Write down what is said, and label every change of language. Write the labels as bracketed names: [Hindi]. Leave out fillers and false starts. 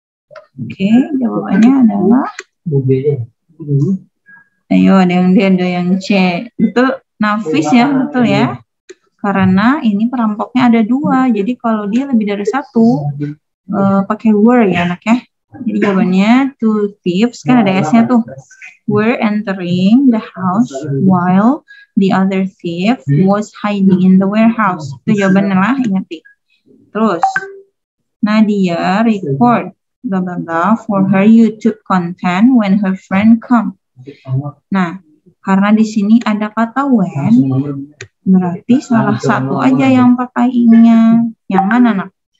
[Indonesian] Oke, jawabannya adalah ayo, ada yang C. Betul, Nafis ya, betul ya. Karena ini perampoknya ada dua, jadi kalau dia lebih dari satu, pakai were ya anak ya. Jadi jawabannya [English] two thieves, [Indonesian] kan ada S-nya tuh. [English] Were entering the house while the other thief was hiding in the warehouse. [Indonesian] Itu jawabannya lah, ingat nih. Terus, [English] Nadia record blah, blah, blah, for her YouTube content when her friend come. [Indonesian] Nah, karena di sini ada kata when, berarti salah satu aja yang pakai ing-nya. Yang mana, nak?